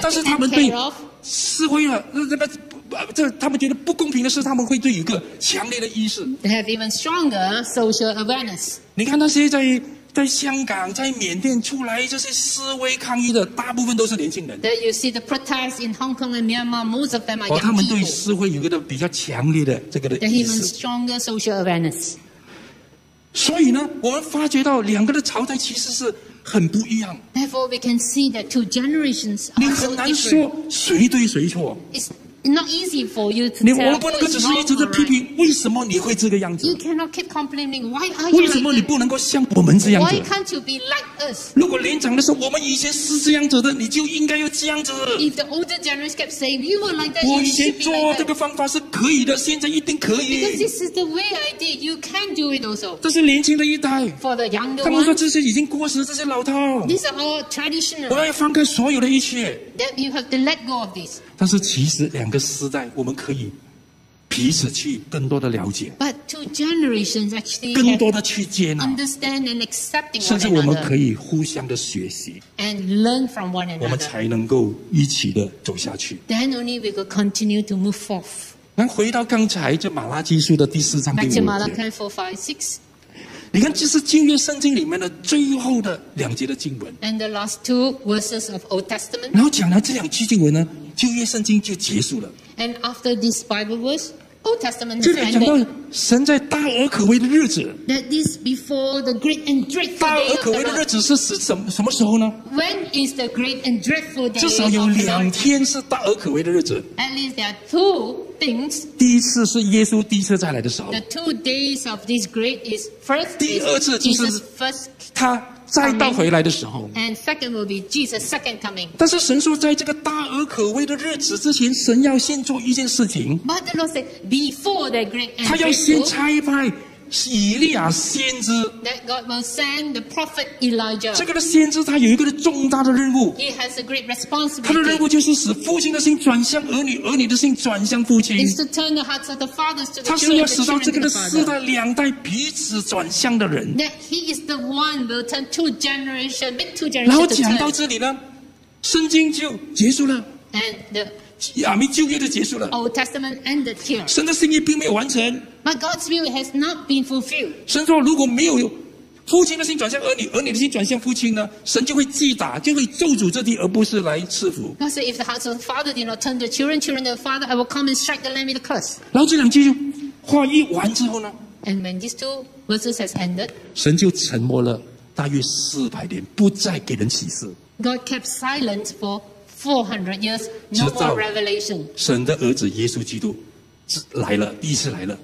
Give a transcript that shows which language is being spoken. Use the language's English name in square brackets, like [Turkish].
[Chinese] 但是他们对社会啊，他们觉得不公平的是，他们会对一个强烈的意识。 [English] They have even stronger social awareness. [Chinese] 你看那些在香港、在缅甸出来这些示威抗议的，大部分都是年轻人。 [English] There you see the protests in Hong Kong and Myanmar. Most of them are young people. [Chinese] 他们对社会有一个比较强烈的这个的意识。 [English] They have even stronger social awareness. [Chinese] 所以呢，我们发觉到两个的朝代其实是。很不一样。 [English] Therefore, we can see that two generations are so different. [Chinese] 你很难说谁对谁错。 [English] It's not easy for you to tell. [Chinese] 你我们不能够只是一直的批评，为什么你会这个样子 [English] ？You cannot keep complaining. Why are you? [Chinese] 为什么你不能够像我们这样子 [English] ？Why can't you be like us? [Chinese] 如果年长的时候我们以前是这样子的，你就应该要这样子。 [English] If the older generation kept saying you were like that, [Chinese] 我以前做这个方法是可以的，现在一定可以。 [English] Because this is the way I did. You can do it also. [Chinese] 这是年轻的一代。 [English] For the younger one, [Chinese] 他们说这些已经过时，这些老套。 [English] These are all traditional. [Chinese] 我们要放开所有的一切。 [English] That you have to let go of this. [Chinese] 但是其实两个世代，我们可以彼此去更多的了解。 [English] But two generations actually [Chinese] 更多的去接纳 [English] ，understand and accepting one another. [Chinese] 甚至我们可以互相的学习 [English] ，and learn from one another. [Chinese] 我们才能够一起的走下去。 [English] Then only we could continue to move forth. [Chinese] 那回到刚才这马拉基书的第四章第五节。 [English] Back to Malachi 4:5-6. [Chinese] 你看，这是旧约圣经里面的最后的两节的经文。 [English] And the last two verses of Old Testament. [Chinese] 然后讲了这两句经文呢，旧约圣经就结束了。 [English] And after this Bible verse, Old Testament. [Chinese] 这里讲到神在大而可畏的日子。 [English] That is before the great and dreadful day of the Lord. [Chinese] 大而可畏的日子是什么时候呢 [English] ？When is the great and dreadful day? [Chinese] 至少有两天是大而可畏的日子。 [English] At least there are two things. [Chinese] 第一次是耶稣第一次再来的时候。 [English] The two days of this great is first. [Chinese] 第二次就是 [English] first [Chinese] 他再到回来的时候。 [English] And second will be Jesus' second coming. [Chinese] 但是神说，在这个大而可畏的日子之前，神要先做一件事情。 [English] But the Lord said before the great and dreadful. [Chinese] 他要先差派以利亚先知。 [English] That God will send the prophet Elijah. [Chinese] 这个先知他有一个重大的任务。 [English] He has a great responsibility. [Chinese] 他的任务就是使父亲的心转向儿女，儿女的心转向父亲。 [English] Is to turn the hearts of the fathers to the [Chinese] 他是要使到这个世代两代彼此转向的人。 [English] That he is the one will turn two generation, make two generation. [Chinese] 然后讲到这里呢，圣经就结束了。 [English] And the [Chinese] 亚米旧约就结束了。 [English] Old Testament ended here. [Chinese] 神的心意并没有完成。 [English] But God's will has not been fulfilled. [Chinese] 神说，如果没有父亲的心转向儿女，儿女的心转向父亲呢，神就会击打，就会咒诅这地，而不是来赐福。 [English] God said, if the hearts of the father did not turn to children, children to the father, I will come and strike the land with a curse. [Chinese] 然后这两句话一完之后呢 [English] ？And when these two verses has ended, [Chinese] 神就沉默了大约400年，不再给人启示。 [English] God kept silent for 400 years, no more revelation. [Chinese] 神的儿子耶稣基督来了，第一次来了。